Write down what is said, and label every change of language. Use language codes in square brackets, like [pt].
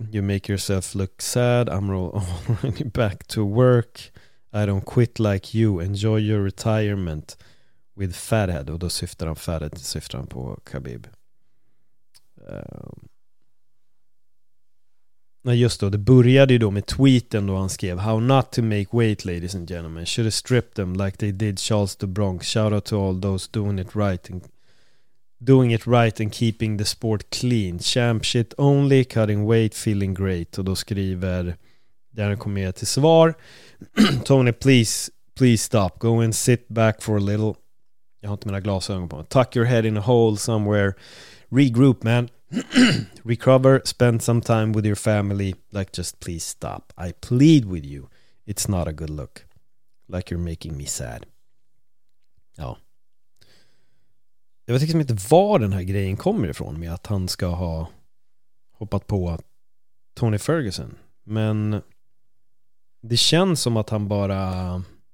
[en] You make yourself look sad. I'm rolling back to work. I don't quit like you. Enjoy your retirement with Fathead. [sv] Och då syftar han Fathead, syftar han på Khabib. Nej, just då, det började ju då med tweeten då han skrev: [en] how not to make weight, ladies and gentlemen. Should have stripped them like they did Charles de Bronx. Shout out to all those doing it right and keeping the sport clean. Champ shit only, cutting weight, feeling great. [sv] Och då skriver Daniel Cormier till svar: [en] Tony, please stop. Go and sit back for a little. [sv] Jag har inte mina glasögon på mig. [en] Tuck your head in a hole somewhere. Regroup, man. Recover, spend some time with your family. Like, just please stop. I plead with you. It's not a good look. Like, you're making me sad. [sv] Ja. Jag vet liksom inte var den här grejen kommer ifrån, med att han ska ha hoppat på Tony Ferguson. Men det känns som att han bara...